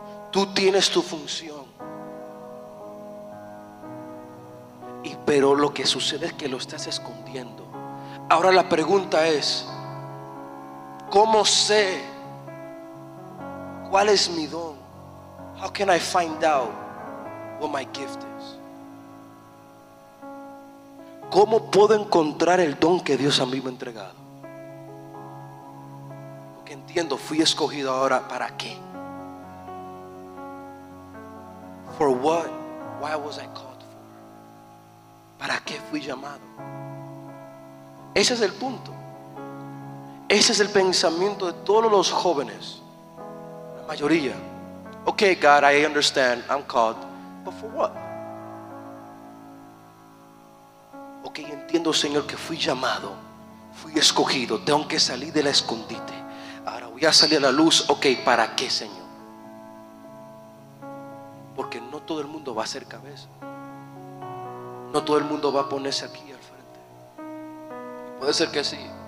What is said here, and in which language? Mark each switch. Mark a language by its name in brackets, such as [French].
[Spanish] Tú tienes tu función. Pero lo que sucede es que lo estás escondiendo. Ahora la pregunta es: ¿cómo sé cuál es mi don? [English] How can I find out what my gift is? [Spanish] ¿cómo puedo encontrar el don que Dios a mí me ha entregado? Porque entiendo, fui escogido ahora, ¿para qué? [English] For what? Why was I called for? [Spanish] ¿Para qué fui llamado? Ese es el punto. Ese es el pensamiento de todos los jóvenes, la mayoría. [English] Okay, God, I understand, I'm called, but for what? [Spanish] Okay, entiendo, Señor, que fui llamado, fui escogido, tengo que salir de la escondite. Ahora voy a salir a la luz. Okay, ¿para qué, Señor? Porque no todo el mundo va a ser cabeza. No todo el mundo va a ponerse aquí al frente. Puede ser que sí.